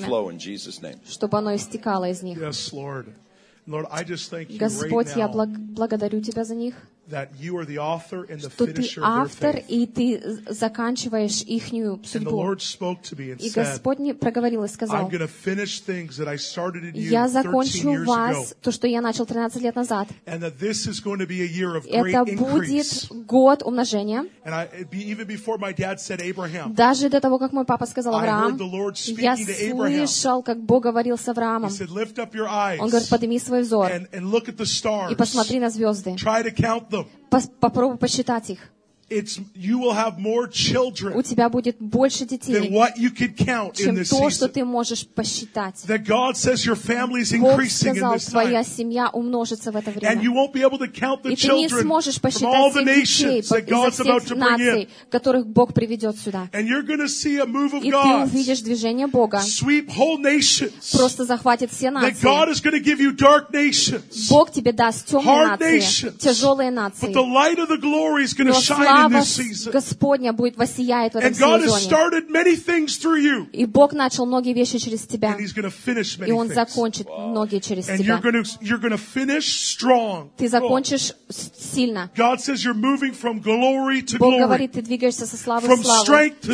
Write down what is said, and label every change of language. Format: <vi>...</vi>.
<en>overflow in Jesus name.</en> <ru>Чтобы оно истекало из них.</ru> <en>Yes, Lord. Lord, I just thank you</en> <ru>Господь,</ru> <en>right</en> <ru>я благодарю Тебя за них,</ru> <en>that you are the author and the</en> <ru>что</ru> <en>finisher</en> <ru>Ты автор,</ru> <en>of their faith.</en> <ru>И Ты заканчиваешь ихнюю судьбу.</ru> <en>And the Lord spoke to me and</en> <ru>и Господь мне проговорил и сказал,</ru> <en>I'm going to finish things that I started in you</en> <ru>Я закончу вас, то, что я начал 13 лет назад.</ru> <en>And that this is going to be a year of</en> <ru>Это</ru> <en>great</en> <ru>будет</ru> <en>increase.</en> <ru>Год умножения.</ru> <en>And I, even before my dad said Abraham,</en> <ru>даже до того, как мой папа сказал Авраам, я слышал, как Бог говорил с Авраамом.</ru> <en>He said, lift up your eyes.</en> <ru>Он говорит, подними свой взор</ru> <en>and look at the stars.</en> <ru>И посмотри на звезды.</ru> <en>Try to count them.</en> <ru>Попробуй посчитать их.</ru> <en>It's, you will have more children</en> <ru>у тебя будет больше детей,</ru> <en>than what you could count</en> <ru>чем</ru> <en>in this</en> <ru>то,</ru> <en>season.</en> <ru>Что ты можешь посчитать.</ru> <en>That God says your family is increasing</en> <ru>сказал,</ru> <en>in this time.</en> <ru>Твоя семья умножится в это время.</ru> <en>And you won't be able to count the children from all the nations that God's about to bring in.</en> <ru>Которых Бог приведет сюда.</ru> <en>And you're going to see a move of</en> <ru>и</ru> <en>God.</en> <ru>И ты увидишь движение Бога.</ru> <en>Sweep whole nations.</en> <ru>Просто захватит все нации.</ru> <en>That God is going to give you dark nations.</en> <ru>Бог тебе даст темные</ru> <en>hard</en> <ru>нации.</ru> <en>Nations.</en> <ru>Тяжелые нации.</ru> <en>But the light of the glory is going to shine.</en> <ru>Слава Господня будет воссиять в этом сезоне. И Бог начал многие вещи через тебя. И Он закончит многие через тебя. Ты закончишь сильно. Бог говорит, ты двигаешься со славы в славу.</ru>